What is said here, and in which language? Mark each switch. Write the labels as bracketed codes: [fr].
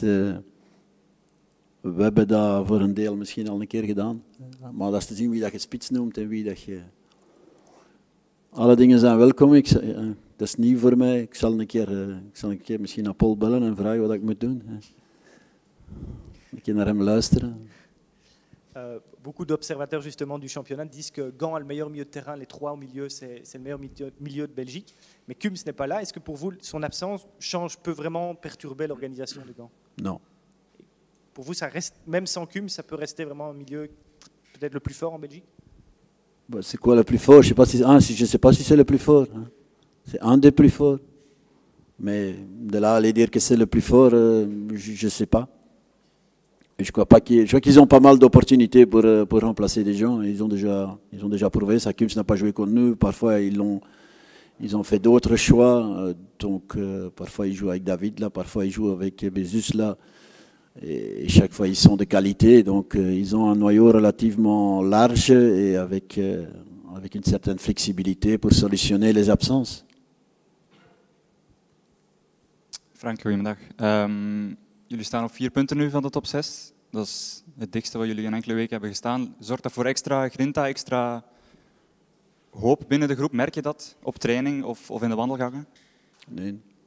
[nl] we hebben dat voor een deel misschien al een keer gedaan. Maar dat is te zien wie dat je spits noemt en wie dat je... Alle dingen zijn welkom. Dat is nieuw voor mij. Ik zal een keer misschien naar Paul bellen en vragen wat ik moet doen. Een keer naar hem luisteren. [fr] Beaucoup d'observateurs justement du championnat disent que Gand a le meilleur milieu de terrain, les trois au milieu, c'est le meilleur milieu de Belgique. Mais Kums n'est pas là. Est-ce que pour vous, son absence peut vraiment perturber l'organisation de Gand? Non. Pour vous, ça reste, même sans Cum, ça peut rester vraiment un milieu peut-être le plus fort en Belgique? Bah, c'est quoi le plus fort? Je ne sais pas si c'est le plus fort. Hein. C'est un des plus forts. Mais de là à aller dire que c'est le plus fort, je ne sais pas. Et je crois qu'ils ont pas mal d'opportunités pour remplacer des gens. Ils ont déjà prouvé ça. Cum n'a pas joué contre nous. Parfois, ils ont fait d'autres choix. Donc parfois, ils jouent avec David là. Parfois, ils jouent avec Bezus là. Et chaque fois, ils sont de qualité, donc ils ont un noyau relativement large et avec une certaine flexibilité pour solutionner les absences. [nl] Frank, goedemiddag. Jullie staan op 4 punten nu van de top 6. Dat is het dichtste wat jullie in enkele weken hebben gestaan. Zorgt dat voor extra grinta, extra hoop binnen de groep? Merk je dat op training of in de wandelgangen? Nee.